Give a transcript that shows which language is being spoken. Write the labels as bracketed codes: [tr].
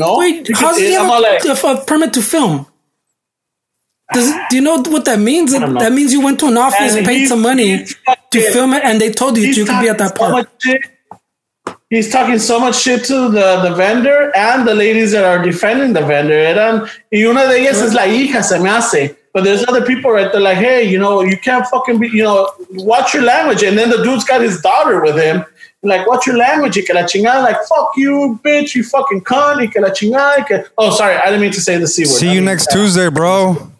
[en] how does he have a permit to film? Do you know what that means? That means you went to an office and paid some money to film it and they told you you could be at that park. He's talking so much shit to the vendor and the ladies that are defending the vendor. [es] Y una de ellas es la hija, se me hace. [en] But there's other people right there hey, you can't fucking be, watch your language. And then the dude's got his daughter with him. Watch your language. [es] Y que la chingada. [en] Fuck you, bitch. You fucking cunt. [es] Y que la chingada. [en] Oh, sorry. I didn't mean to say the C word. See you next Tuesday, bro.